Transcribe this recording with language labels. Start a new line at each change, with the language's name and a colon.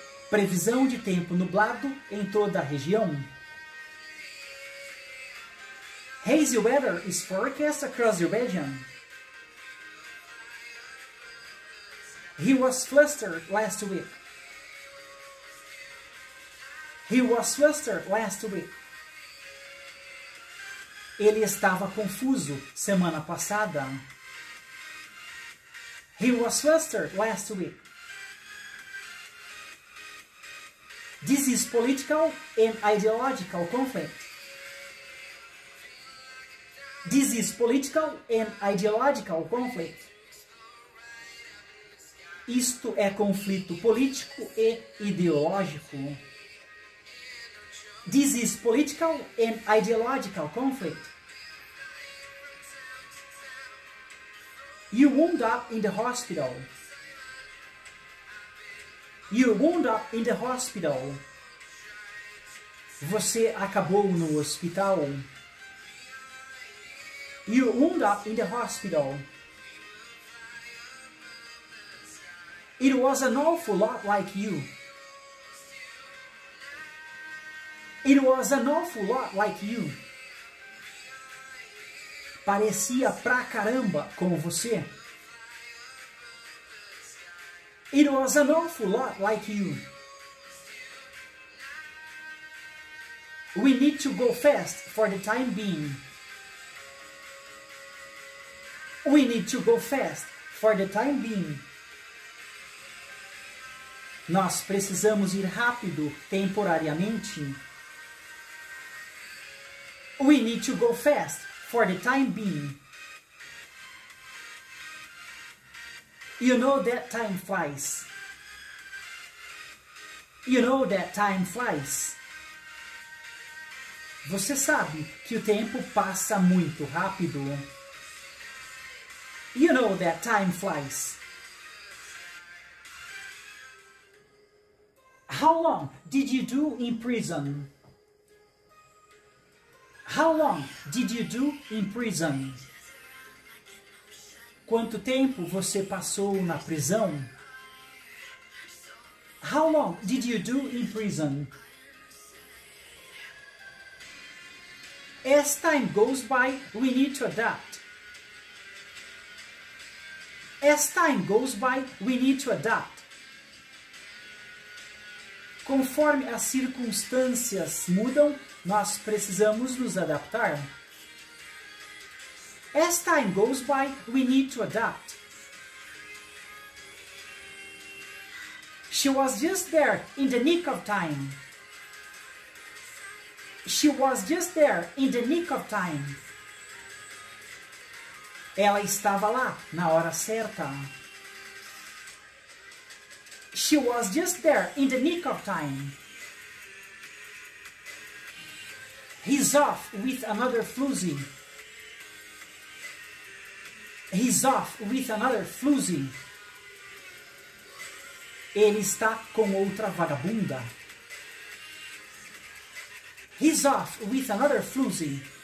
Portuguese: Previsão de tempo nublado em toda a região.
English: Hazy weather is forecast across the region. He was flustered last week. He was flustered last week.
Portuguese: Ele estava confuso semana passada.
English: He was flustered last week. This is political and ideological conflict. This is political and ideological conflict.
Portuguese: Isto é conflito político e ideológico.
English: This is political and ideological conflict. You wound up in the hospital. You wound up in the hospital.
Portuguese: Você acabou no hospital.
English: You wound up in the hospital. It was an awful lot like you. It was an awful lot like you.
Portuguese: Parecia pra caramba como você.
English: It was an awful lot like you. We need to go fast for the time being. We need to go fast for the time being.
Portuguese: Nós precisamos ir rápido temporariamente.
English: We need to go fast for the time being. You know that time flies. You know that time flies.
Portuguese: Você sabe que o tempo passa muito rápido.
English: You know that time flies. How long did you do in prison? How long did you do in prison?
Portuguese: Quanto tempo você passou na prisão?
English: How long did you do in prison? As time goes by, we need to adapt. As time goes by, we need to adapt.
Portuguese: Conforme as circunstâncias mudam, nós precisamos nos adaptar.
English: As time goes by, we need to adapt. She was just there in the nick of time. She was just there in the nick of time.
Portuguese: Ela estava lá na hora certa.
English: She was just there in the nick of time. He's off with another floozy. He's off with another floozy.
Portuguese: Ele está com outra vagabunda.
English: He's off with another floozy.